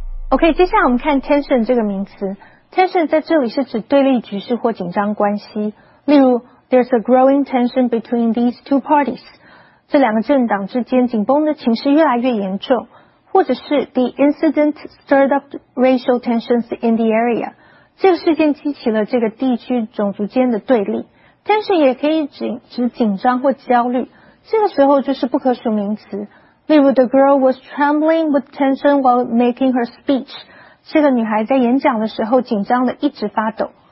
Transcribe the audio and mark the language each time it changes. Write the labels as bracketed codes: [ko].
[zh] OK, 接下来我们看 tension 这个名词。Tension 在这里是指对立局势或紧张关系。例如 [en] ,there's a growing tension between these two parties. [zh] 这两个政党之间紧绷的情势越来越严重。或者是 [en] the incident stirred up racial tensions in the area. [zh] 这个事件激起了这个地区种族间的对立。 Tension 也可以指紧张或焦虑。这个时候就是不可数名词。例如 [en] the girl was trembling with tension while making her speech. [zh] 这个女孩在演讲的时候紧张的一直发抖。